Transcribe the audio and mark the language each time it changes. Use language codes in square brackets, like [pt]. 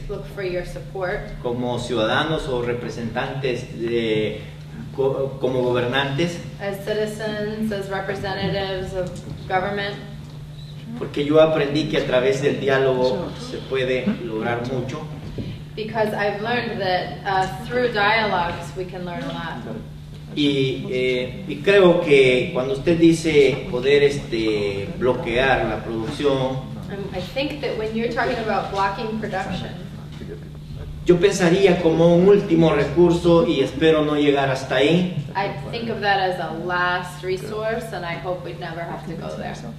[en] Look for your support. [es] Como ciudadanos o representantes de, como gobernantes. [en] As citizens, as representatives of government. [es] Porque yo aprendí que a través del diálogo se puede lograr mucho. [en] Because I've learned that through dialogues we can learn a lot. [es] Y creo que cuando usted dice poder bloquear la producción. [en] I think that when you're talking about blocking production. [es] Yo pensaría como un último recurso y espero no llegar hasta ahí. [en] I think of that as a last resource and I hope we'd never have to go there.